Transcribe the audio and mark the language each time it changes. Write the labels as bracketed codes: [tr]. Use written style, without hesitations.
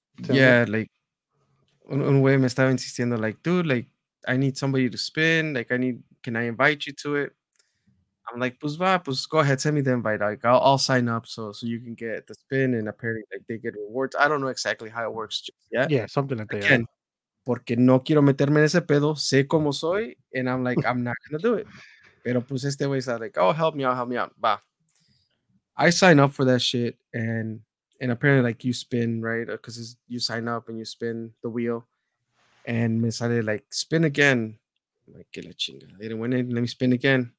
[en] Yeah, like, [es] un güey me estaba insistiendo, [en] like, dude, like, I need somebody to spin. Like, can I invite you to it? I'm like, [es] pues va, pues [en] go ahead, send me the invite. Like, I'll sign up so you can get the spin. And apparently, like, they get rewards. I don't know exactly how it works just yet. Yeah, something like that. [es] Again, porque no quiero meterme en ese pedo. Sé cómo soy. [en] And I'm like, I'm not going to do it. [es] Pero pues este güey está [en] like, oh, help me out. Va. I sign up for that shit. And apparently, like, you spin, right? Because you sign up and you spin the wheel. And [es] me sale [en] like spin again, like [es] que la chinga. [en] I didn't win it. Let me spin again.